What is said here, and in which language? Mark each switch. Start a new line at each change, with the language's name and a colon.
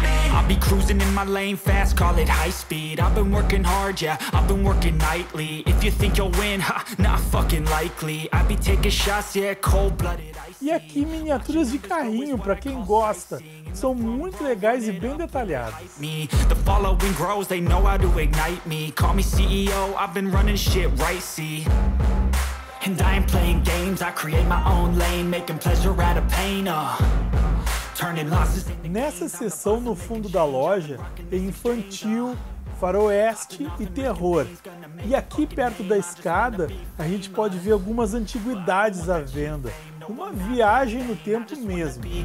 English: I'll be cruising in my lane fast, call it high speed. I've been working hard, yeah, I've been working nightly. If you think you'll win, ha, not fucking likely. I'll be taking shots, yeah, cold-blooded.
Portuguese: E aqui miniaturas de carrinho para quem gosta. São muito legais e bem detalhados.
English: The following grows, they know how to ignite me. Call me CEO, I've been running shit right, see. And I'm playing games, I create my own lane, making pleasure out of pain, turning losses.
Portuguese: Nessa seção no fundo da loja tem infantil, faroeste e terror. E aqui perto da escada a gente pode ver algumas antiguidades à venda. Uma viagem no tempo mesmo.